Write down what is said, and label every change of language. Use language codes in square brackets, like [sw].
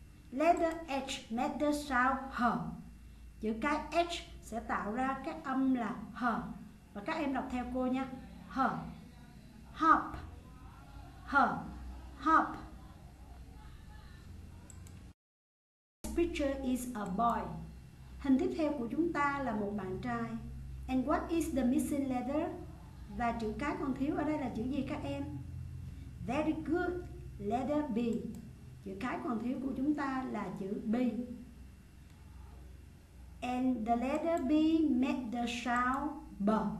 [en] Letter H made the sound H. [vi] Chữ cái H sẽ tạo ra cái âm là H. Và các em đọc theo cô nha. H. Hop. H. Hop. [en] Picture is a boy. [vi] Hình tiếp theo của chúng ta là một bạn trai. [en] And what is the missing letter? [vi] Và chữ cái còn thiếu ở đây là chữ gì các em? [en] Very good. Letter B. [vi] Chữ cái còn thiếu của chúng ta là chữ B. [en] And the letter B made the sound B.